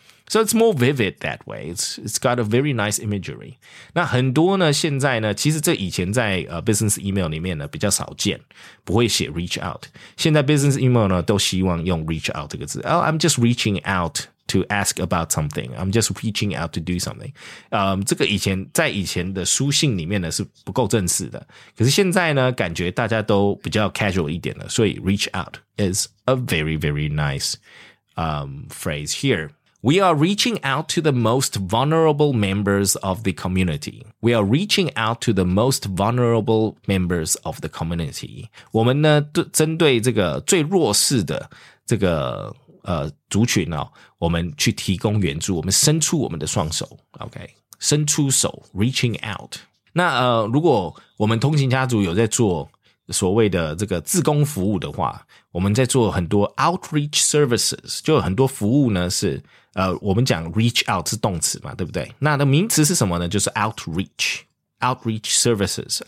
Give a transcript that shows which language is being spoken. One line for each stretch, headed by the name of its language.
English: So it's more vivid that way. It's got a very nice imagery.
Chinese: 那很多呢现在呢其实这以前在business email 里面呢比较少见不会写 reach out. 现在 business email 呢都希望用 reach out 这个字。
English: Oh, I'm just reaching out to ask about something. I'm just reaching out to do something.
Chinese: 这个以前在以前的书信里面呢是不够正式的。可是现在呢感觉大家都比较 casual 一点了所以
English: reach out is a very, very nice, phrase here. We are reaching out to the most vulnerable members of the community. We are reaching out to the most vulnerable members of the community.
Chinese: 我们呢针对这个最弱势的这个族群哦我们去提供援助我们伸出我们的双手 okay? 伸出手 reaching out. 那如果我们通勤家族有在做所谓的这个自工服务的话我们在做很多 outreach services, 就很多服务呢是我们讲 reach out 是动词嘛对不对那的名词是什么呢就是 outreach, outreach services.